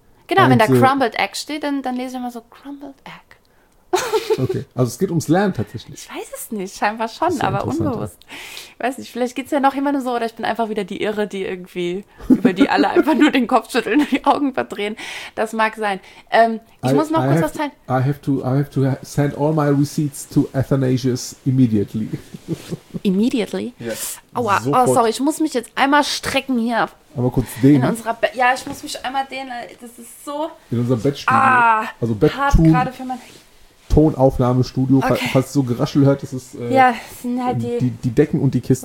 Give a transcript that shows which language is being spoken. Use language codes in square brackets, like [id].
[de] Genau, wenn da Crumbled Egg steht, dann lese ich immer so Crumbled Egg. Okay, also es geht ums Lernen tatsächlich. Ich weiß es nicht, scheinbar schon, aber unbewusst. Ja. weiß nicht, vielleicht geht es ja noch immer nur so, oder ich bin einfach wieder die Irre, die irgendwie, über die alle einfach nur den Kopf schütteln und die Augen verdrehen. Das mag sein. Ich muss noch kurz was zeigen. [en] I have to send all my receipts to Athanasius immediately. Immediately? Yes. [de] Aua, sofort. Oh, sorry, ich muss mich jetzt einmal strecken hier. Aber kurz dehnen. Ja, ich muss mich einmal dehnen, das ist so. In unserem Bettstudio. Ah, also Bettstudio. Gerade für mein Tonaufnahmestudio, okay. Falls du so Geraschel hört, das ist ja, sind halt die Decken und die Kissen.